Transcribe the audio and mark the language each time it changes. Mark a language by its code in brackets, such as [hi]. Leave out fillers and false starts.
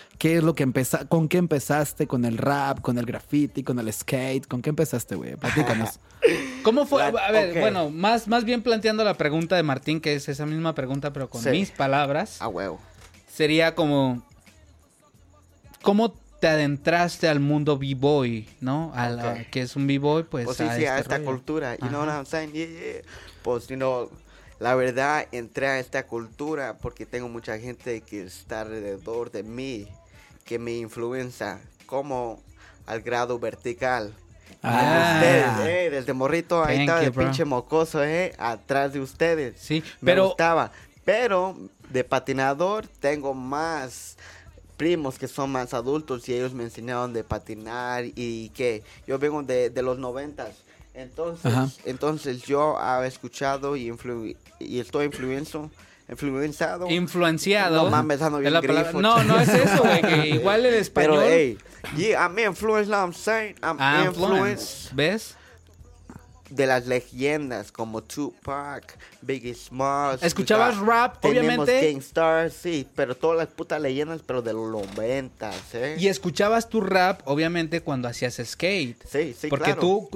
[es] ¿Qué es lo que empezaste? ¿Con qué empezaste? ¿Con el rap? ¿Con el graffiti? ¿Con el skate? ¿Con qué empezaste, güey? Platícanos. ¿Cómo fue? A ver, okay. Bueno, más bien planteando la pregunta de Martín, que es esa misma pregunta, pero con mis palabras. A huevo. Sería como, ¿cómo te adentraste al mundo b-boy, no? Que es un b-boy, pues a esta cultura, [en] you know what I'm saying? [es] Pues, [en] you know, [es] la verdad, entré a esta cultura porque tengo mucha gente que está alrededor de mí, que me influencia, como al grado vertical. Desde morrito ahí estaba el pinche mocoso, atrás de ustedes. Sí, pero de patinador tengo más primos que son más adultos y ellos me enseñaron de patinar y que yo vengo de los noventas. Entonces yo he escuchado y estoy influenciado. No mames, ando bien grifo. No es eso, güey, que igual el español. Pero, [en] I'm influenced, I'm saying. I'm influenced. [es] ¿Ves? De las leyendas como Tupac, Biggie Smalls. ¿Escuchabas rap, obviamente? Tenemos Gangstar, sí, pero todas las putas leyendas, pero de los 90, Y escuchabas tu rap, obviamente, cuando hacías skate. Sí, sí, porque claro.